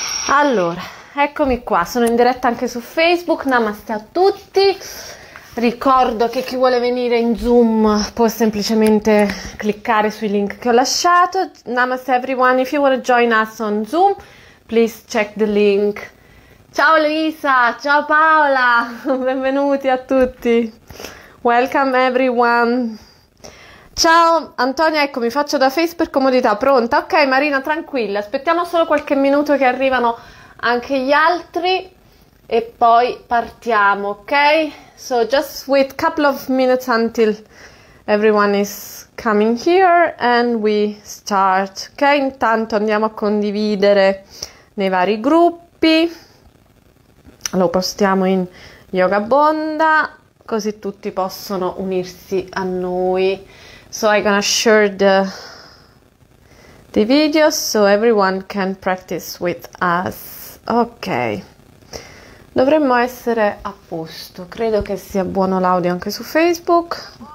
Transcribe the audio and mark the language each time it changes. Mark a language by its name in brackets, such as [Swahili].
[Italian] Allora, eccomi qua, sono in diretta anche su Facebook. Namaste a tutti. Ricordo che chi vuole venire in Zoom può semplicemente cliccare sui link che ho lasciato. [English] Namaste everyone, if you want to join us on Zoom, please check the link. [Italian] Ciao Lisa, ciao Paola, benvenuti a tutti. [English] Welcome everyone. [Italian] Ciao Antonia, ecco, mi faccio da Face per comodità. Pronta? Ok, Marina, tranquilla. Aspettiamo solo qualche minuto che arrivano anche gli altri e poi partiamo, ok? [English] So just wait a couple of minutes until everyone is coming here and we start. [Italian] Ok, intanto andiamo a condividere nei vari gruppi. Lo postiamo in Yoga Bonda, così tutti possono unirsi a noi. [English] So I'm gonna share the video so everyone can practice with us. [Italian] Ok. Dovremmo essere a posto. Credo che sia buono l'audio anche su Facebook.